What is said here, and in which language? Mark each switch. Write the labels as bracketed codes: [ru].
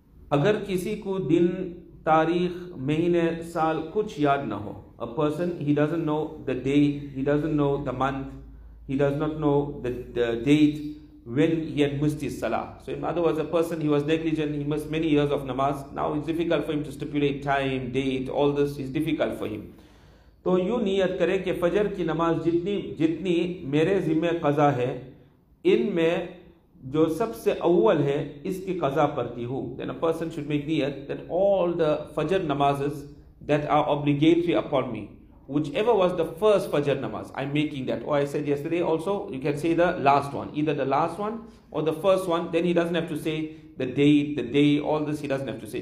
[ur] Agar kisi ko din, tarikh, mahine, saal kuch yaad na ho, [en] a person, he doesn't know the day, he doesn't know the month, he does not know the date when he had missed his Salaah. So in other words, a person, he was negligent, he missed many years of namaz. Now it's difficult for him to stipulate time, date, all this is difficult for him. [ur] تو یوں نیت کرے کہ فجر کی نماز جتنی میرے ذمہ قضا ہے ان میں جو سب سے اول ہے اس کی قضا پڑتی ہوں. [en] Then a person should make niyat that all the fajr namazes that are obligatory upon me, whichever was the first fajr namaz, I'm making that. Or I said yesterday also, you can say the last one, either the last one or the first one. Then he doesn't have to say the day, all this he doesn't have to say.